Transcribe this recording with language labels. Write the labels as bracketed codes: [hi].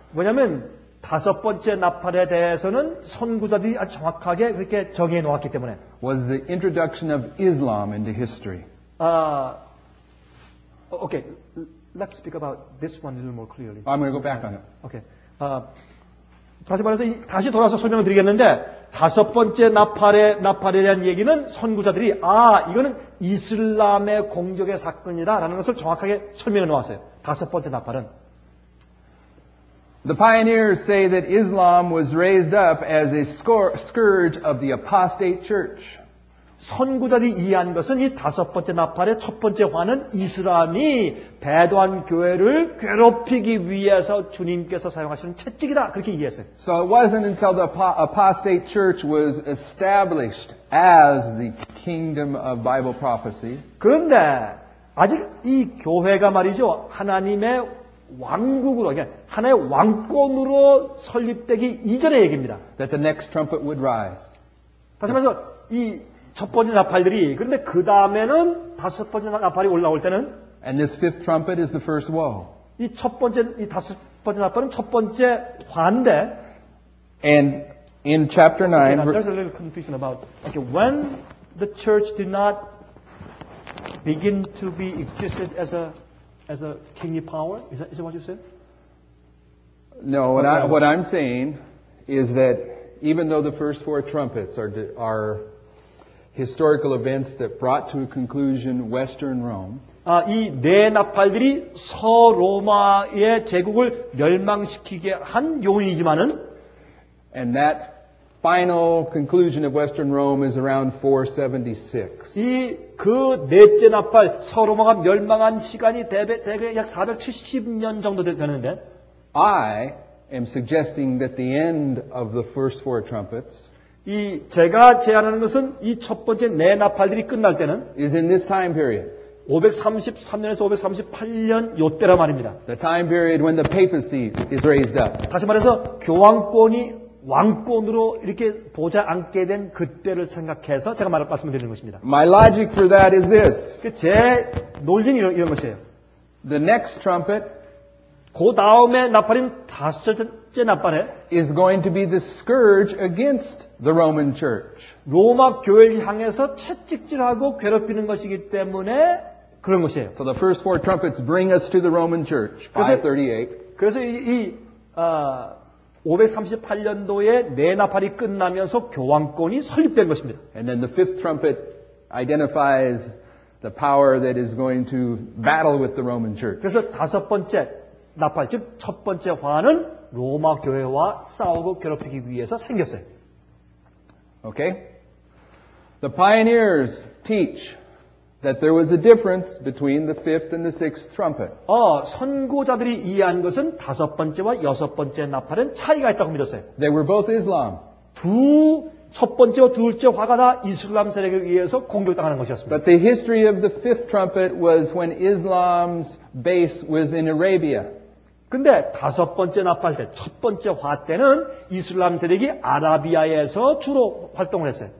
[ko] 왜냐하면 다섯 번째 나팔에 대해서는 선구자들이 아주 정확하게 그렇게 정의해 놓았기 때문에. [en] Was the introduction of Islam into history. Okay. Let's speak about this one a little more clearly. I'm going to go back on it. Okay. [ko] 다시 말해서 다시 돌아서 설명을 드리겠는데 다섯 번째 나팔에 대한 얘기는 선구자들이 아 이거는 이슬람의 공격의 사건이다라는 것을 정확하게 설명해 놓았어요. 다섯 번째 나팔은 [en] The pioneers say that Islam was raised up as a scourge of the apostate church. [ko] 선구자들이 이해한 것은 이 다섯 번째 나팔의 첫 번째 화는 이슬람이 배도한 교회를 괴롭히기 위해서 주님께서 사용하시는 채찍이다 그렇게 이해했어요. [en] So it wasn't until the apostate church was established as the kingdom of Bible prophecy. [ko] 그런데 아직 이 교회가 말이죠 하나님의 왕국으로 그러니까 하나의 왕권으로 설립되기 이전의 얘기입니다. [en] That the next trumpet would rise. [ko] 다시 말해서 이 첫 번째 나팔들이 그런데 그 다음에는 다섯 번째 나팔이 올라올 때는 [en] And this fifth trumpet is the first woe. [ko] 이 첫 번째 이 다섯 번째 나팔은 첫 번째 화인데 [en] And in chapter 9 okay, There's a little confusion about okay, when the church did not begin to be existed as a kingly power is that what you said? No, what I'm saying is that even though the first four trumpets are historical events that brought to a conclusion Western Rome. [ko] 아, 이 네 나팔들이 서로마의 제국을 멸망시키게 한 요인이지만은 [en] And that final conclusion of Western Rome is around 476. [ko] 이 그 넷째 나팔 서로마가 멸망한 시간이 대개 약 470년 정도 되는데 [en] I am suggesting that the end of the first four trumpets [ko] 이 제가 제안하는 것은 이 첫 번째 네 나팔들이 끝날 때는 [en] is in this time period. [ko] 533년에서 538년 요때라 말입니다. [en] The time period when the papacy is raised up. [ko] 다시 말해서 교황권이 왕권으로 이렇게 보자 앉게 된 그때를 생각해서 제가 말씀을 드리는 것입니다. [en] My logic for that is this. [ko] 제 논리는 이런 것이에요. [en] The next trumpet [ko] 그 다음에 나팔인 다섯째 나팔에 [en] is going to be the scourge against the Roman Church. [ko] 로마 교회를 향해서 채찍질하고 괴롭히는 것이기 때문에 그런 것이에요. [en] So the first four trumpets bring us to the Roman Church. 538. [ko] 그래서 538년도에 네 나팔이 끝나면서 교황권이 설립된 것입니다. [en] And then the fifth trumpet identifies the power that is going to battle with the Roman Church. [ko] 그래서 다섯 번째 나팔 즉 첫 번째 화는 로마 교회와 싸우고 괴롭히기 위해서 생겼어요. [en] Okay. The pioneers teach that there was a difference between the fifth and the sixth trumpet. [ko] 선구자들이 이해한 것은 다섯 번째와 여섯 번째 나팔은 차이가 있다고 믿었어요. They were both Islam. 두 첫 번째와 둘째 화가 다 이슬람 세력에 의해서 공격당하는 것이었습니다. [en] But the history of the fifth trumpet was when Islam's base was in Arabia. [ko] 근데 다섯 번째 나팔 때, 첫 번째 화 때는 이슬람 세력이 아라비아에서 주로 활동을 했어요.